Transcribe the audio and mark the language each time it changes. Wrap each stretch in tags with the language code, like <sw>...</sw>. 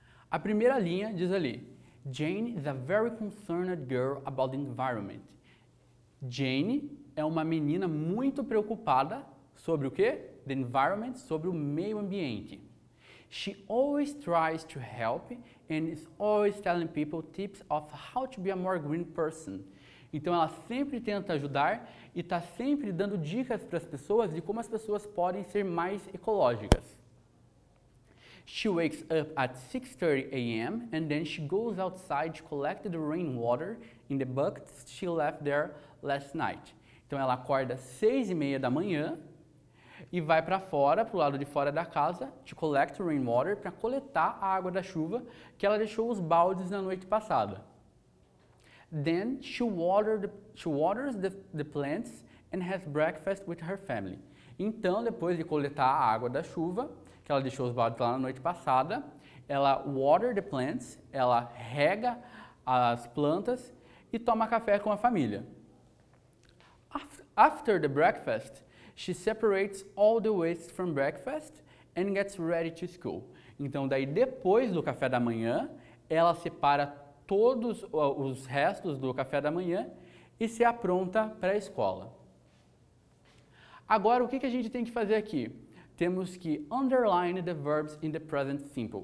<pt>A primeira linha diz ali,</pt> <en>Jane is a very concerned girl about the environment.</en> <pt>Jane é uma menina muito preocupada sobre o quê?</pt> <en>The environment,</en> <pt>sobre o meio ambiente.</pt> <en>She always tries to help and is always telling people tips of how to be a more green person.</en> <pt>Então, ela sempre tenta ajudar e está sempre dando dicas para as pessoas de como as pessoas podem ser mais ecológicas.</pt> <en>She wakes up at 6:30 a.m. and then she goes outside to collect the rainwater in the buckets she left there last night.</en> <pt>Então, ela acorda às 6:30 da manhã e vai para fora, para o lado de fora da casa,</pt> <en>to collect rainwater,</en> <pt>para coletar a água da chuva que ela deixou os baldes na noite passada.</pt> <en>Then she waters the plants and has breakfast with her family.</en> <pt>Então, depois de coletar a água da chuva, que ela deixou os baldes lá na noite passada, ela</pt> <en>water the plants,</en> <pt>ela rega as plantas e toma café com a família.</pt> <en>After the breakfast, she separates all the waste from breakfast and gets ready to school.</en> <pt>Então, daí depois do café da manhã, ela separa todos os restos do café da manhã e se apronta para a escola. Agora, o que a gente tem que fazer aqui? Temos que</pt> <en>underline the verbs in the present simple.</en>